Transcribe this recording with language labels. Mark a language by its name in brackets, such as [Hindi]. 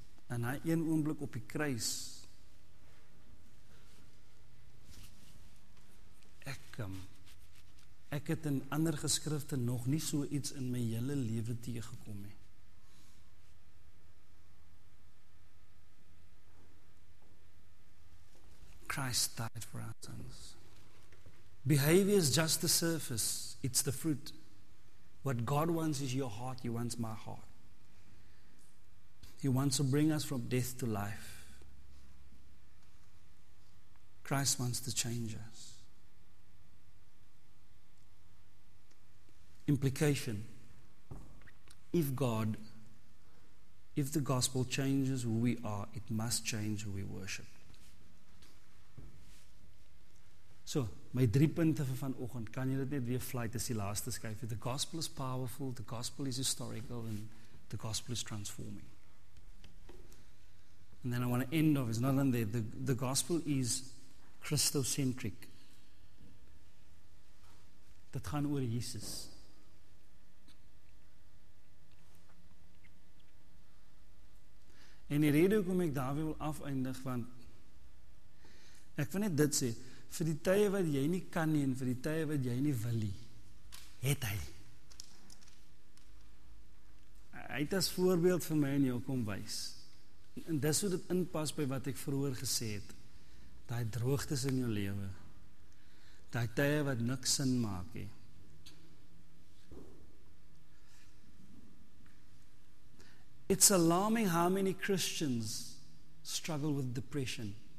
[Afrikaans] En hy een oomblik op die kruis. Ek het in ander geskrifte nog nie so iets in my hele lewe teëgekom nie. [English] Christ died for our sins. Behavior is just the surface. It's the fruit. What God wants is your heart. He wants my heart. He wants to bring us from death to life. Christ wants to change us. Implication. If the gospel changes who we are, it must change who we worship. [Afrikaans] So, my drie punte vir vanoggend, kan jy dit net weer vlei, dis die laaste skyfie. [English] The gospel is powerful, the gospel is historical, and the gospel is transforming. And then I want to end off, it's not on there, the gospel is Christocentric. [Afrikaans] Dit gaan oor Jesus. En die rede hoekom ek daarmee wil afeindig, want ek wil net dit sê, vir die tye wat jy nie kan nie en vir die tye wat jy nie wil nie, het hy. Hy het as voorbeeld vir my en jou kom wys. En dis hoe dit inpas by wat ek vroeër gesê het. Daai droogtes in jou lewe. Daai tye wat niks sin maak nie. [English] It's alarming how many Christians struggle with depression.